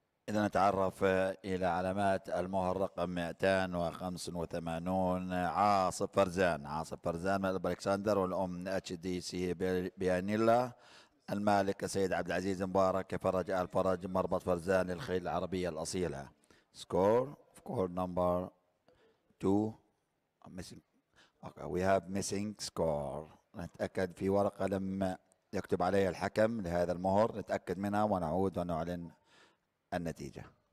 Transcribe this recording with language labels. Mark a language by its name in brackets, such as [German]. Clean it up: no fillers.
[Arabic] نتعرف إلى علامات المهر رقم 285 عاصف فرزان. عاصف فرزان من ألكسندر والأم اتش دي سي بيانيلا. المالك السيد عبد العزيز مبارك فرج آل فرج مربط فرزان للخيل العربية الأصيلة. [English] Score of course number 2 missing. Okay, we have missing score. [Arabic] نتأكد في ورقة لما يكتب عليها الحكم لهذا المهر نتأكد منها ونعود ونعلن النتيجة.